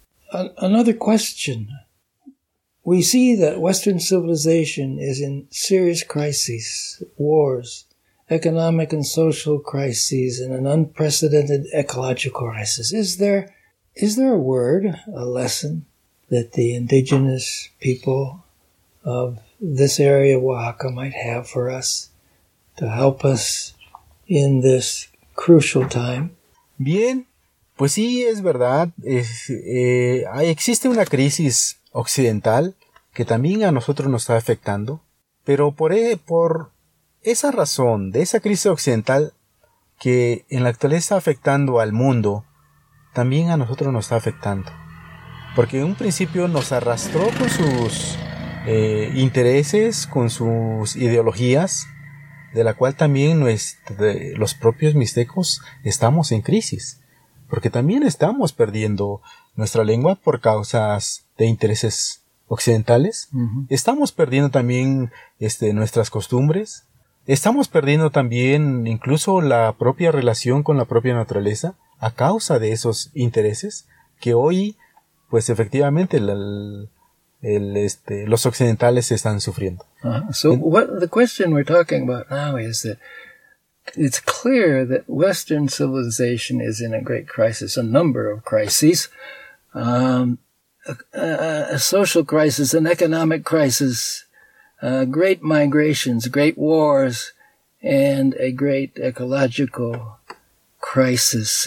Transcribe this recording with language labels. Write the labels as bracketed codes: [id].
[en] Another question: we see that Western civilization is in serious crises, wars, economic and social crises, and an unprecedented ecological crisis. Is there a word, a lesson, that the indigenous people of this area of Oaxaca might have for us to help us in this crucial time? [es] Bien, pues sí, es verdad. Existe una crisis occidental que también a nosotros nos está afectando, pero por esa razón de esa crisis occidental que en la actualidad está afectando al mundo, también a nosotros nos está afectando. Porque en un principio nos arrastró con sus intereses, con sus ideologías, de la cual también los propios mixtecos estamos en crisis. Porque también estamos perdiendo nuestra lengua por causas de intereses occidentales. Uh-huh. Estamos perdiendo también nuestras costumbres. Estamos perdiendo también incluso la propia relación con la propia naturaleza a causa de esos intereses que hoy, pues efectivamente, los occidentales están sufriendo. [en] Uh-huh. So, the question we're talking about now is that It's clear that Western civilization is in a great crisis, a number of crises, a social crisis, an economic crisis, great migrations, great wars, and a great ecological crisis.